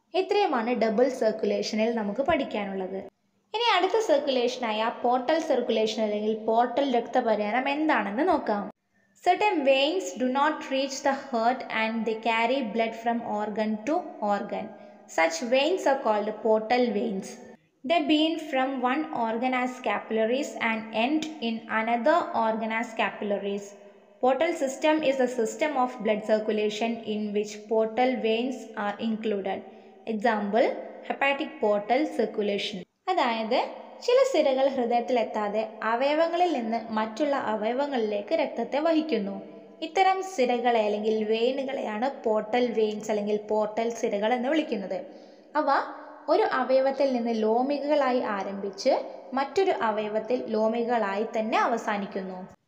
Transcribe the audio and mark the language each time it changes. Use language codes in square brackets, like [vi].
[ml] ഇത്രയുമാണ് ഡബിൾ സർക്കുലേഷനിൽ നമുക്ക് പഠിക്കാനുള്ളത്. ഇനി അടുത്ത സർക്കുലേഷനായ പോർട്ടൽ സർക്കുലേഷൻ അല്ലെങ്കിൽ പോർട്ടൽ രക്തപര്യാനം എന്താണെന്ന് നോക്കാം. [en] Certain veins do not reach the heart and the carry blood from organ to organ. Such veins are called portal veins. They bean from one organ as capillaries and end in another organ as capillaries. Portal system is a system of blood circulation in which portal veins are included. Example, hepatic portal circulation. [ml] അതായത് ചില സിരകൾ ഹൃദയത്തിൽ എത്താതെ അവയവങ്ങളിൽ നിന്ന് മറ്റുള്ള അവയവങ്ങളിലേക്ക് രക്തത്തെ വഹിക്കുന്നു. ഇത്തരം സിരകളെ അല്ലെങ്കിൽ വെയിനുകളെയാണ് പോർട്ടൽ വെയിൻസ് അല്ലെങ്കിൽ പോർട്ടൽ സിരകൾ എന്ന് വിളിക്കുന്നത്. അവ ഒരു അവയവത്തിൽ നിന്ന് ലോമികളായി ആരംഭിച്ച് മറ്റൊരു അവയവത്തിൽ ലോമികളായി തന്നെ അവസാനിക്കുന്നു.